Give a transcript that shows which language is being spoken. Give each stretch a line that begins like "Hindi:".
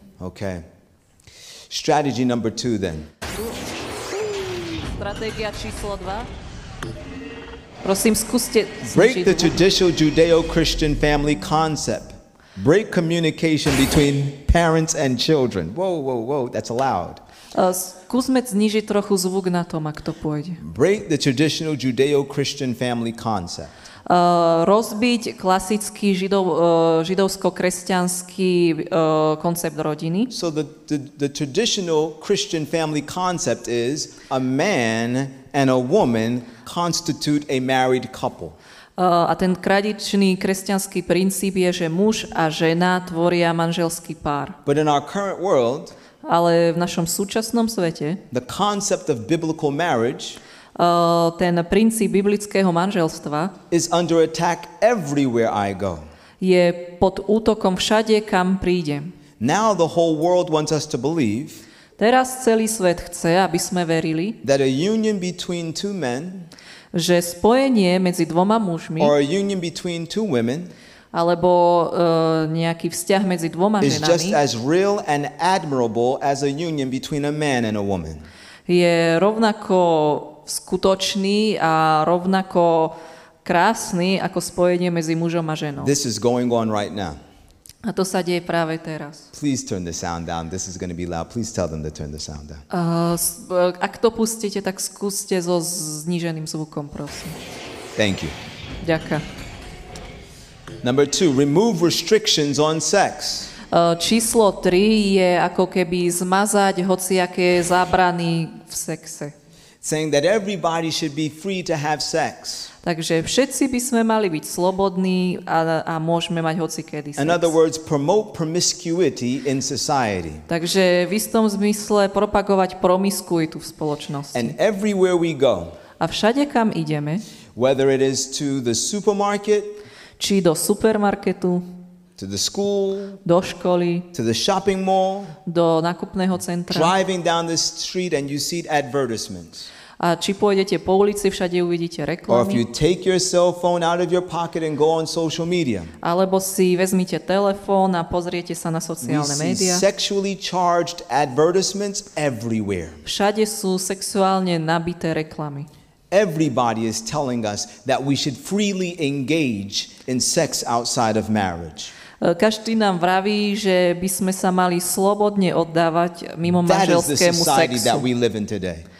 English: Okay. Strategy number 2 then.
Slovak: Stratégia číslo 2. Prosím, skúste
English: break the traditional Judeo-Christian family concept. Break communication between parents and children. Whoa, that's loud.
Slovak: Skúsme znižiť trochu zvuk na tom, ak to pôjde.
English: Break the traditional Judeo-Christian family concept.
Slovak: Rozbiť klasický židovsko-kresťanský koncept rodiny.
English: So the traditional Christian family concept is a man and a woman constitute a married couple.
Slovak: A ten tradičný kresťanský princíp je, že muž a žena tvoria manželský pár.
English: But in our current world,
Slovak: ale v našom súčasnom svete,
English: the concept of biblical marriage,
Slovak: ten princíp biblického manželstva,
English: is under attack everywhere I go.
Slovak: Je pod útokom všade, kam prídem.
English: Now the whole world wants us to believe.
Slovak: Teraz celý svet chce, aby sme verili,
English: that a union between two men,
Slovak: že spojenie medzi dvoma mužmi,
English: or a union between two women,
Slovak: alebo nejaký vzťah medzi dvoma ženami,
English: is just as real and admirable as a union between a man and a woman.
Slovak: Je rovnako skutočný a rovnako krásny ako spojenie medzi mužom a ženou.
English: This is going on right now.
Slovak: A to sa deje práve teraz.
English: Please turn the sound down. This is going to be loud. Please tell them to turn the sound down.
Slovak: Ak to pustíte, tak skúste so zníženým zvukom, prosím.
English: Thank you.
Slovak: Ďaka.
English: Number 2, remove restrictions on sex.
Slovak: Číslo 3 je ako keby zmazať hociaké zábrany v sexe.
English: Saying that everybody should be free to have sex.
Slovak: Takže všetci by sme mali byť slobodní a môžeme mať hocikedy sex.
English: In other words, promote promiscuity in society.
Slovak: Takže v istom zmysle propagovať promiskuitu v spoločnosti.
English: And everywhere we go.
Slovak: A všade, kam ideme.
English: Whether it is to the supermarket.
Slovak: Či do supermarketu.
English: To the school.
Slovak: Do školy.
English: To the shopping mall.
Slovak: Do nákupného centra.
English: Driving down the street and you see advertisements.
Slovak: A či pôjdete po ulici, všade uvidíte reklamy.
English: Or if you take your cell phone out of your pocket and go on social media.
Slovak: Alebo si vezmite telefón a pozriete sa na sociálne médiá.
English: We see sexually charged advertisements everywhere.
Slovak: Všade sú sexuálne nabité reklamy.
English: Everybody is telling us that we should freely engage in sex outside of marriage.
Slovak: Každý nám vraví, že by sme sa mali slobodne oddávať mimo manželskému sexu.
English: That is the society that we live in today.